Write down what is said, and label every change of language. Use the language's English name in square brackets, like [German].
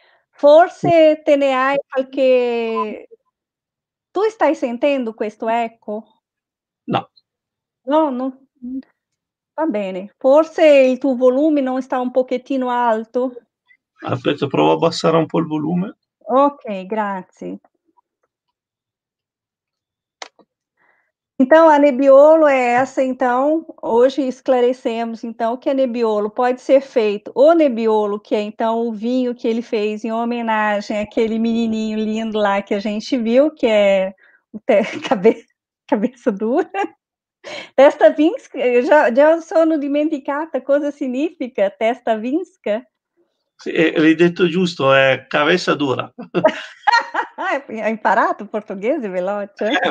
[Italian] Forse te ne hai qualche. Tu stai sentendo questo eco? No, non va bene. Forse il tuo volume non sta un pochettino alto. Aspetta, provo a abbassare un po' il volume. Ok, grazie. [Portuguese] Então, a Nebbiolo é essa, então, hoje esclarecemos, então, que a Nebbiolo pode ser feito, o Nebbiolo, que é, então, o vinho que ele fez em homenagem àquele menininho lindo lá que a gente viu, que é o cabeça dura. [Italian] Testa vinsca, já sono dimenticata cosa significa testa vinsca. Sì, l'hai detto giusto, è cabeça dura. Hai imparato portoghese veloce?